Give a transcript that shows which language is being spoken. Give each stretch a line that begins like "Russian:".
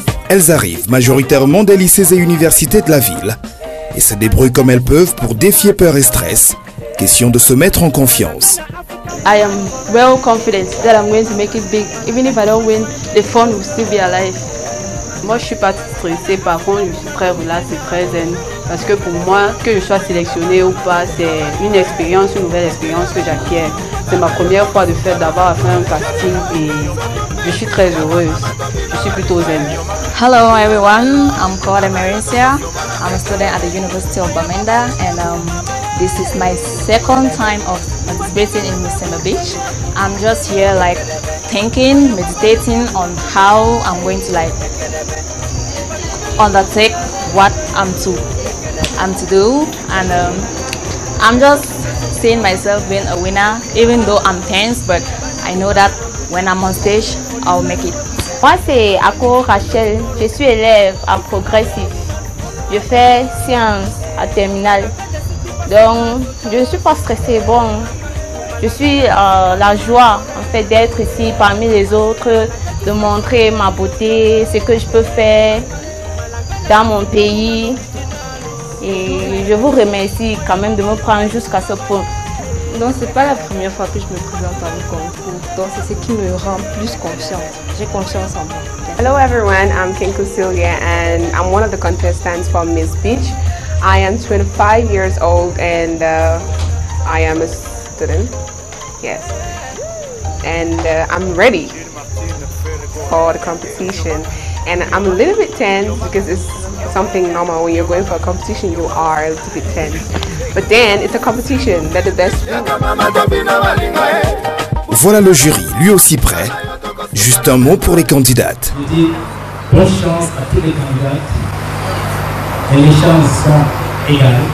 French: Elles arrivent majoritairement des lycées et universités de la ville et se débrouillent comme elles peuvent pour défier peur et stress. Question de se mettre en confiance.
English: I am well confident that I'm going to make it big. Even if I don't win, the fun will still be alive.
French: Moi, je suis pas stressée. Par contre, je suis très relaxée, très zen. Parce que pour moi, que je sois sélectionnée ou pas, c'est une expérience, une nouvelle expérience que j'acquiers. C'est ma première fois de faire d'avoir à faire un casting et je suis très heureuse. Je suis plutôt zen.
English: Hello everyone, I'm called Emerencia. I'm a student at the University of Bamenda and this is my second time of participating in Miss Semi Beach. I'm just here like thinking, meditating on how I'm going to like undertake what I'm to do. And I'm just seeing myself being a winner, even though I'm tense, but I know that when I'm on stage, I'll make it.
French: Moi, c'est Ako Rachel. Je suis élève à Progressif. Je fais science à terminale. Donc, je ne suis pas stressée. Bon, je suis la joie en fait d'être ici parmi les autres, de montrer ma beauté, ce que je peux faire dans mon pays. Et je vous remercie quand même de me prendre jusqu'à ce point. Donc, c'est pas la première fois que je me présente à vous comme vous. Donc, c'est ce qui me rend plus confiante. J'ai confiance en moi.
English: Hello everyone, I'm Kinko Silia and I'm one of the contestants for Miss Beach. I am 25 years old and I am a student, yes, and I'm ready for the competition and I'm a little bit tense because it's something normal when you're going for a competition, you are a little bit tense, but then it's a competition, that's the best.
French: Voilà le jury, lui aussi prêt, juste un mot pour les candidates. Je dis bonne chance à tous les candidates et les chances sont...